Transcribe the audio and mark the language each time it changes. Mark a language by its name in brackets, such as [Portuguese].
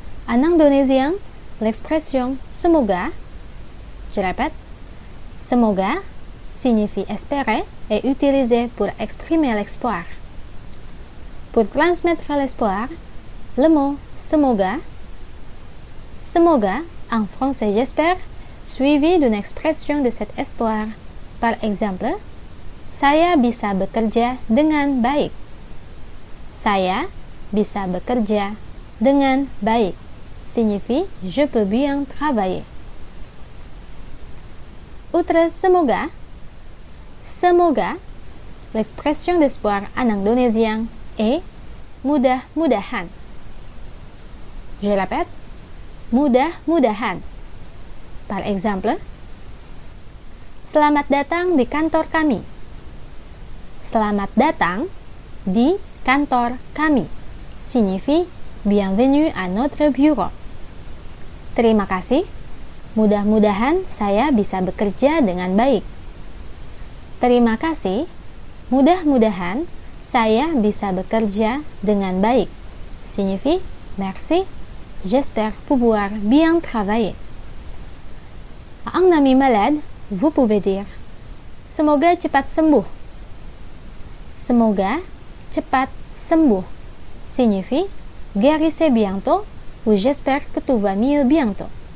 [French] En indonésien, l'expression semoga, je répète, semoga signifie espérer et utilisé pour exprimer l'espoir. Pour transmettre l'espoir, le mot semoga, semoga en français j'espère, suivi d'une expression de cet espoir. Par exemple, [Indonesian] saya bisa bekerja dengan baik. Saya bisa bekerja dengan baik [French] signifie je peux bien travailler. Outre semoga, semoga, l'expression d'espoir en indonésien est mudah-mudahan. Je répète, [Indonesian] mudah-mudahan. [French] Par exemple, [Indonesian] selamat datang di kantor kami. Selamat datang di kantor kami [French] signifie bienvenue à notre bureau. [Indonesian] Terima kasih. Mudah-mudahan saya bisa bekerja dengan baik. Terima kasih. Mudah-mudahan saya bisa bekerja dengan baik. [French] Signifie merci. J'espère pouvoir bien travailler. En ami malade, vous pouvez dire [Indonesian] semoga cepat sembuh. Semoga cepat sembuh [French] signifie guérissez bientôt ou j'espère que tout va mieux bientôt.